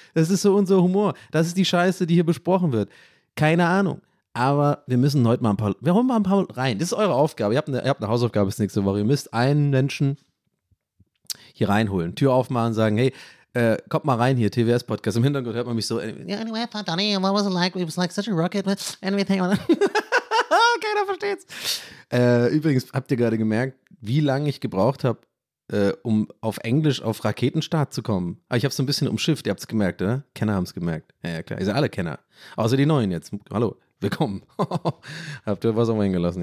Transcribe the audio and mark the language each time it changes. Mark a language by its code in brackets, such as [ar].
[de] Das ist so unser Humor. Das ist die Scheiße, die hier besprochen wird. Keine Ahnung. Aber wir müssen heute mal ein paar, wir holen mal ein paar rein. Das ist eure Aufgabe. Ihr habt eine Hausaufgabe bis nächste Woche. Ihr müsst einen Menschen hier reinholen. Tür aufmachen und sagen, hey, kommt mal rein hier, TWS-Podcast. Im Hintergrund hört man mich so. [en] Yeah, anyway, I thought, Donny, what was it like? It was like such a rocket. Anything. [de] Keiner versteht's. Übrigens, habt ihr gerade gemerkt, wie lange ich gebraucht habe, um auf Englisch auf Raketenstart zu kommen. Aber ich habe so ein bisschen umschifft. Ihr habt's gemerkt, oder? Kenner haben's gemerkt. Ja, ja, klar. Ihr seid alle Kenner. Außer die Neuen jetzt. Hallo. Willkommen. Habt ihr was auch mal hingelassen?